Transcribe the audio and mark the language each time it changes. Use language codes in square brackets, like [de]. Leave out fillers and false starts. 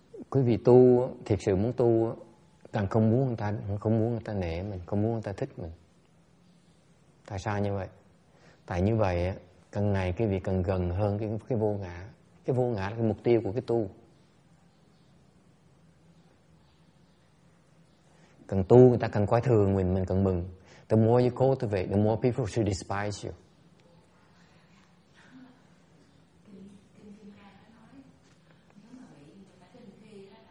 [vi] Quý vị tu, thiệt sự muốn tu, càng không muốn người ta nể mình, không muốn người ta thích mình. Tại sao như vậy? Tại như vậy, càng ngày quý vị càng gần hơn cái vô ngã. Cái vô ngã là cái mục tiêu của cái tu. Càng tu người ta càng coi thường mình càng mừng. [en] The more you cultivate, the more people should despise you. [vi] Kinh Địa Tạng nói, nếu mà bị người ta khinh khi